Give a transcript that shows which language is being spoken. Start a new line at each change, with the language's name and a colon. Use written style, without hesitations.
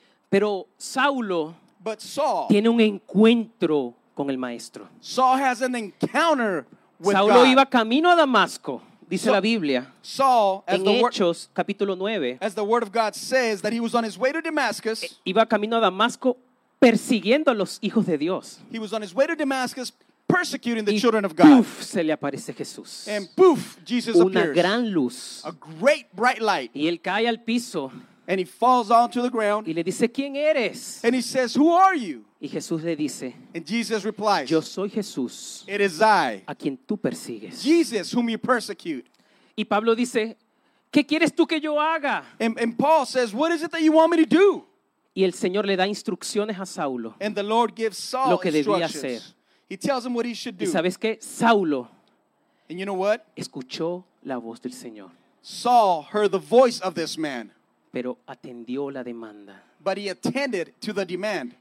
Spanish: Pero Saulo.
English: But Saul.
Spanish: Tiene un encuentro con el maestro.
English: Saul has an encounter with
Spanish: Saulo
English: God.
Spanish: Iba camino a Damasco, dice so, la Biblia.
English: Saul,
Spanish: en Hechos, capítulo 9.
English: As the word of God says that he was on his way to Damascus.
Spanish: Iba camino a Damasco persiguiendo a los hijos de Dios.
English: He was on his way to Damascus persecuting the
Spanish: y
English: children of God.
Spanish: Poof, se le aparece Jesús.
English: And poof, Jesus
Spanish: una
English: appears.
Spanish: Una gran luz.
English: A great bright light.
Spanish: Y él cae al piso.
English: And he falls onto the ground.
Spanish: Y le dice, ¿quién eres?
English: And he says, who are you?
Spanish: Y Jesús le dice,
English: and Jesus replies,
Spanish: yo soy Jesús,
English: it is I,
Spanish: a quien tú persigues.
English: Jesus, whom you persecute.
Spanish: Y Pablo dice, ¿qué quieres tú que yo haga?
English: And Paul says, what is it that you want me to do?
Spanish: Y el Señor le da instrucciones a Saulo.
English: And the Lord gives Saul
Spanish: lo que debía hacer.
English: He tells him what he should do.
Spanish: ¿Y sabes qué? Saulo.
English: And you know what?
Spanish: Escuchó la voz del Señor.
English: Saul heard the voice of this man.
Spanish: Pero atendió la demanda.
English: But he attended to the demand.